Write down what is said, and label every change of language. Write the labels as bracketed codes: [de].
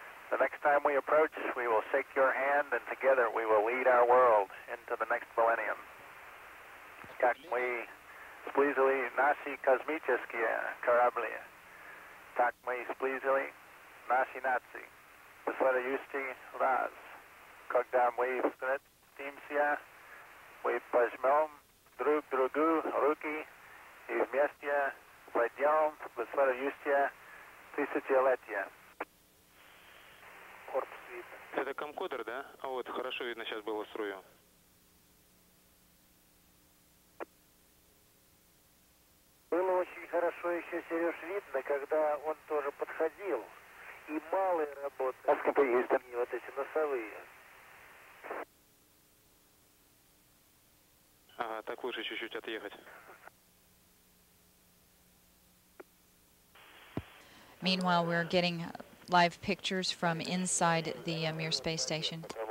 [en] The next time we approach, we will shake your hand and together we will lead our world into the next millennium. [ru] Как мы сблизили наши космические корабли. Так мы сблизили наши нации. До следующей раз. Когда мы встретимся, мы пожмем друг другу руки и вместе войдем в следующее тысячелетие. Корпус видно. Это комкодер, да? А вот, хорошо видно сейчас было струю. Было очень хорошо еще, Сереж, видно, когда он тоже подходил. И малые работы, а сколько есть? Вот эти носовые. Ага, так лучше чуть-чуть отъехать. [en] Meanwhile, we're getting live pictures from inside the Mir space station.